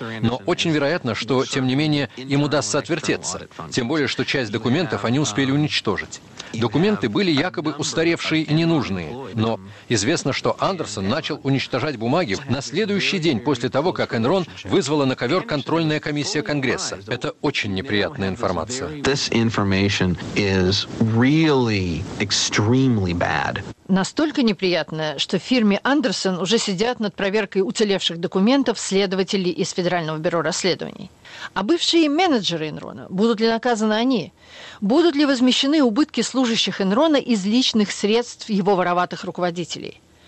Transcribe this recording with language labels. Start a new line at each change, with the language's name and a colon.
Russian: Но очень вероятно, что, тем не менее, им удастся отвертеться, тем более, что часть документов они успели уничтожить. Документы были якобы устаревшие и ненужные, но известно, что Андерсон начал уничтожать бумаги на следующий день после того, как Enron вызвала на ковер контрольная комиссия Конгресса. Это очень неприятная информация.
English: This information is really extremely bad.
Russian: Настолько неприятно, что в фирме Андерсон уже сидят над проверкой уцелевших документов следователи из Федерального бюро расследований. А бывшие менеджеры Энрона, будут ли наказаны они? Будут ли возмещены убытки служащих Энрона из личных средств его вороватых руководителей?